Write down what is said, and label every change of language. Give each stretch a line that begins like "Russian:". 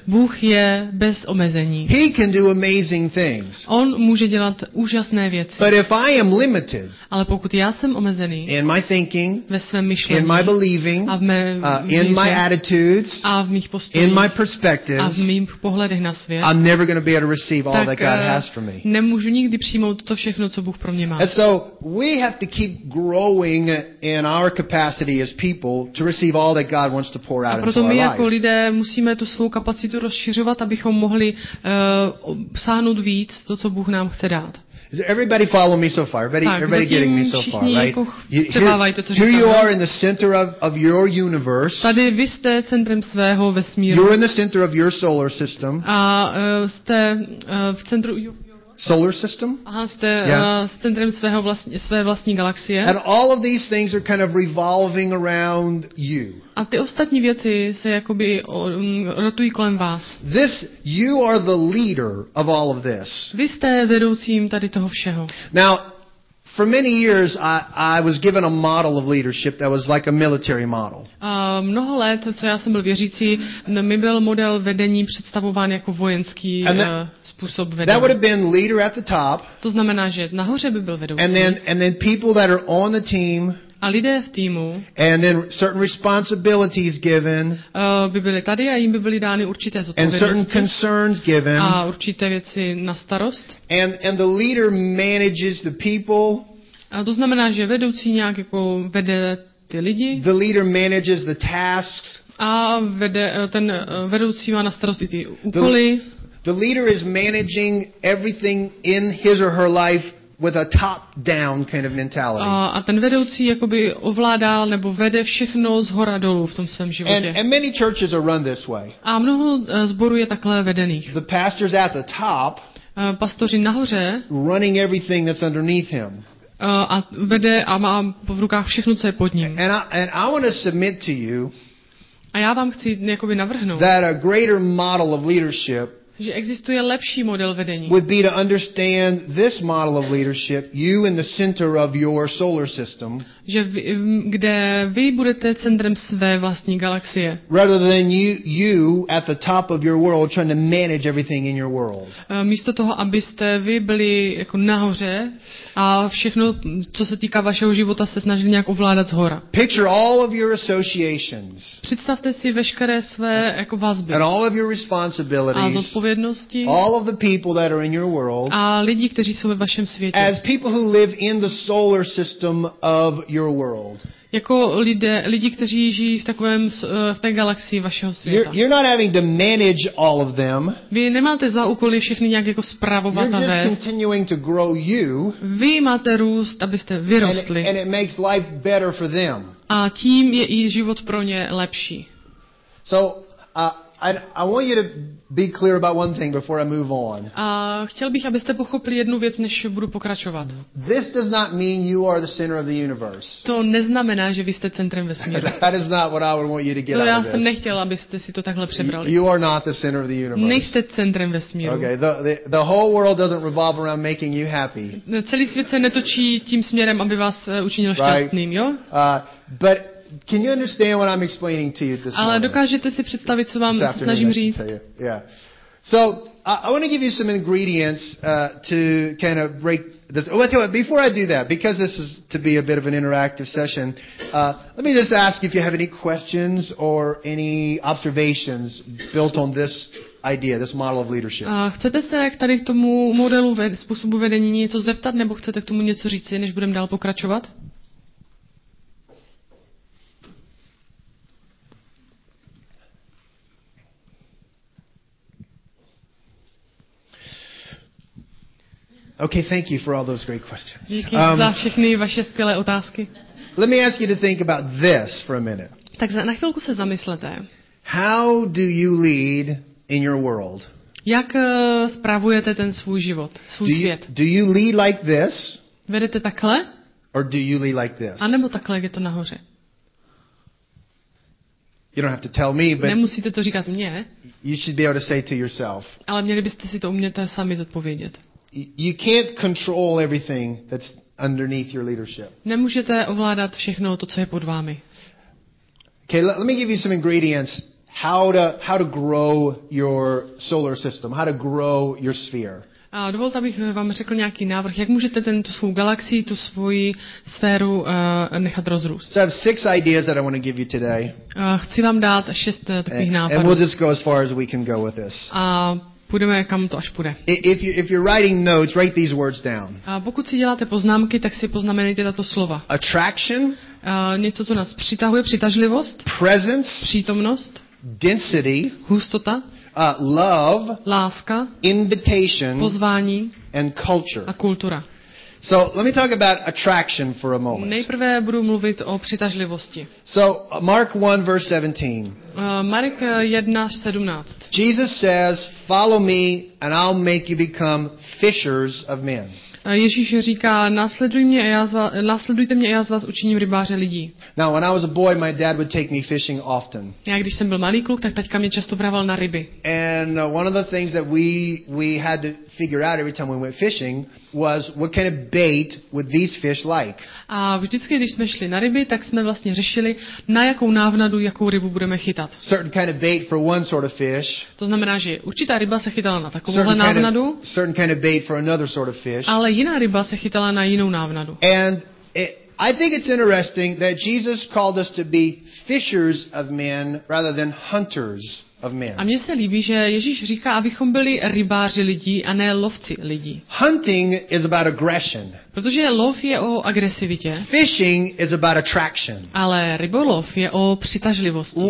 Czech: Bůh je bez omezení.
English: He can do amazing things.
Czech: On může dělat úžasné věci.
English: But if I am limited,
Czech: ale pokud já jsem omezený,
English: in my thinking,
Czech: ve svém myšlení,
English: in my believing,
Czech: a v mé
English: in my attitudes,
Czech: a v mých postojích,
English: in my perspectives,
Czech: a v mých pohledech na svět,
English: I'm never going to be able to receive all that God has for me.
Czech: Nemůžu nikdy přijmout to všechno, co Bůh pro mě má.
English: And so we have to keep growing in our capacity as people to receive all that God wants to pour out into
Czech: Proto my jako lidé musíme tu svou kapacitu rozšiřovat, abychom mohli sáhnout víc to, co Bůh nám chce dát.
English: Is everybody following me so far? Everybody getting me so far, right? Here you are in the center of your universe.
Czech: Tady vy jste centrem svého vesmíru.
English: You're in the center of your solar system.
Czech: A jste v centru
English: solar system?
Czech: Aha, jste, yeah. S centrem svého vlastní, své vlastní galaxie.
English: And all of these things are kind of revolving around you.
Czech: A ty ostatní věci se jakoby rotují kolem vás.
English: This, you are the leader of all of this.
Czech: Vy jste vedoucím tady toho všeho.
English: Now, for many years I was given a model of leadership that was like a military model.
Czech: Mnoho let, co já jsem byl věřící, mi byl model vedení představován jako vojenský způsob vedení.
English: That would have been leader at the top.
Czech: To znamená, že nahoře by byl vedoucí.
English: And then people that are on the team.
Czech: A lidé v týmu.
English: And then certain responsibilities given.
Czech: By byly tady a jim by byly dány určité zodpovědnosti.
English: And certain concerns given.
Czech: A určité věci na starost.
English: And the leader manages the people.
Czech: A to znamená, že vedoucí nějak jako vede ty lidi.
English: The leader manages the tasks.
Czech: A vede, ten vedoucí má na starost i ty úkoly.
English: The leader is managing everything in his or her life with a top-down kind of mentality.
Czech: A ten vedoucí jakoby ovládal nebo vede všechno zhora dolů v tom svém životě.
English: And many churches are run this way.
Czech: A mnoho zborů je takhle vedených.
English: The pastor's at the top.
Czech: Pastoři nahoře.
English: Running everything that's underneath him.
Czech: A vede a má v rukách všechno, co je pod ním.
English: And I want to submit to you.
Czech: A já vám chci jakoby navrhnout.
English: That a greater model of leadership.
Czech: Že existuje lepší model vedení.
English: Would be to understand this model of leadership, you in the center of your solar system.
Czech: Že vy, kde vy budete centrem své vlastní galaxie.
English: Rather than you at the top of your world trying to manage everything in your world.
Czech: Místo toho, abyste vy byli jako nahoře a všechno, co se týká vašeho života, se snažili nějak ovládat zhora.
English: Picture all of your associations.
Czech: Představte si veškeré své jako vazby.
English: And all of your responsibilities. All of the people that are in your world.
Czech: A lidi, kteří jsou ve vašem světě.
English: As people who live in the solar system of your world.
Czech: Jako lidi, kteří žijí v takovém v té galaxii vašeho světa.
English: You're not having to manage all of them.
Czech: Vy nemáte za úkoly všechny nějak jako spravovat a vést.
English: Continuing to grow you.
Czech: Vy máte růst, abyste vyrostli.
English: And it makes life better for them.
Czech: A tím je i život pro ně lepší.
English: So I want you to be clear about one thing before I move on.
Czech: Chtěl bych, abyste pochopili jednu věc, než budu pokračovat.
English: This does not mean you are the center of the universe.
Czech: To neznamená, že vy jste centrem vesmíru.
English: That is not what I would want you to get out
Czech: To já jsem nechtěl, abyste si to takhle přebrali.
English: You are not the center of the universe.
Czech: Nejste centrem vesmíru.
English: Okay, the whole world doesn't revolve around making you happy.
Czech: Celý svět se netočí tím směrem, aby vás učinil šťastným, jo?
English: But can you understand what I'm explaining to you this morning?
Czech: Ale dokážete si představit, co vám snažím říct?
English: Yeah. So I want to give you some ingredients to kind of break this. Wait, before I do that, because this is to be a bit of an interactive session, let me just ask if you have any questions or any observations built on this idea, this model of leadership.
Czech: Chcete se k tady k tomu modelu způsobu vedení něco zeptat, nebo chcete k tomu něco říci, než budeme dál pokračovat?
English: Okay, thank you for all those great questions.
Czech: Díky za všechny vaše skvělé otázky.
English: Let me ask you to think about this for a minute.
Czech: Tak na chvilku se zamyslete.
English: How do you lead in your world?
Czech: Jak spravujete ten svůj život, svůj svět?
English: Do you lead like this?
Czech: Vedete takhle?
English: Or do you lead like this?
Czech: A nebo takhle, jak je to nahoře?
English: You don't have to tell me, but
Czech: nemusíte to říkat mně.
English: You should be able to say to yourself.
Czech: Ale měli byste si to umět sami zodpovědět.
English: You can't control everything that's underneath your leadership.
Czech: Nemůžete ovládat všechno to, co je pod vámi.
English: Okay, let me give you some ingredients how to grow your solar system, how to grow your sphere.
Czech: A dovolte, abych vám řekl nějaký návrh, jak můžete tento svou galaxii, tu svoji sféru nechat rozrůst.
English: So I have 6 ideas that I want to give you today.
Czech: Chci vám dát 6 takových nápadů.
English: And we'll just go as far as we can go with this.
Czech: Půjdeme, kam to až půjde.
English: If you're writing notes, write these words down.
Czech: A pokud si děláte poznámky, tak si poznamenejte tato slova.
English: Attraction.
Czech: Něco, co nás přitahuje, přitažlivost.
English: Presence.
Czech: Přítomnost.
English: Density.
Czech: Hustota.
English: Love.
Czech: Láska.
English: Invitation.
Czech: Pozvání.
English: And culture.
Czech: A kultura.
English: So let me talk about attraction for a moment.
Czech: Nejprve budu mluvit o přitažlivosti.
English: So Mark 1 verse 17.
Czech: Mark 1:17.
English: Jesus says, "Follow me and I'll make you become fishers of men."
Czech: Ježíš říká, následujte mě a já z vás učiním rybáře lidí.
English: Now, when I was a boy, my dad would take me fishing often.
Czech: Já když jsem byl malý kluk, tak taťka mě často brával na ryby.
English: And one of the things that we had to figure out every time we went fishing was what kind of bait would these fish like.
Czech: A vždycky, když jsme šli na ryby, tak jsme vlastně řešili, na jakou návnadu, jakou rybu budeme chytat.
English: Certain kind of bait for one sort of fish.
Czech: To znamená, že určitá ryba se chytala na takovouhle návnadu.
English: Certain kind of bait for another sort of fish.
Czech: Ale jiná ryba se chytala na jinou návnadu.
English: And I think it's interesting that Jesus called us to be fishers of men rather than hunters.
Czech: A mně se líbí, že Ježíš říká, abychom byli rybáři lidí a ne lovci lidí.
English: Hunting is about aggression.
Czech: Protože lov je o agresivitě.
English: Fishing is about attraction.
Czech: Ale rybolov je o přitažlivosti.